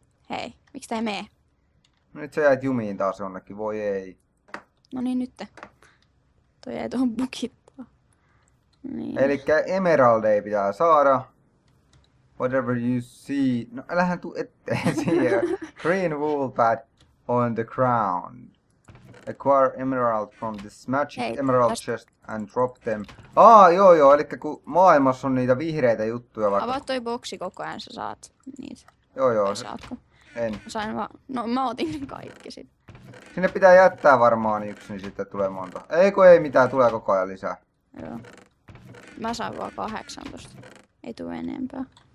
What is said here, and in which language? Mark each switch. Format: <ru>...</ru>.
<fi>Hei, miksi tää ei mee? No, nyt sä jäit jumiin taas jonnekin, voi ei. No niin, nytte. Toi jäi tuohon bukittaa. Niin. Elikkä emeraldeja pitää saada.</fi> <en>Whatever you see.</en> <fi>No, älähän tuu eteen siihen.</fi> <en>Green wool pad on the crown. Acquire emerald from this magic</en> <fi>Hei,</fi> <en>emerald chest and drop them.</en> <fi>Aa, joo, elikkä kun maailmassa on niitä vihreitä juttuja vaikka. Avaa toi boksi koko ajan, sä saat niitä. Joo. Saatko? En. Sain vaan, no mä otin kaikki sit. Sinne pitää jättää varmaan yksi, niin sitten tulee monta. Ei mitään, tulee koko ajan lisää. Joo. Mä sain vaan 18. Ei tule enempää.</fi>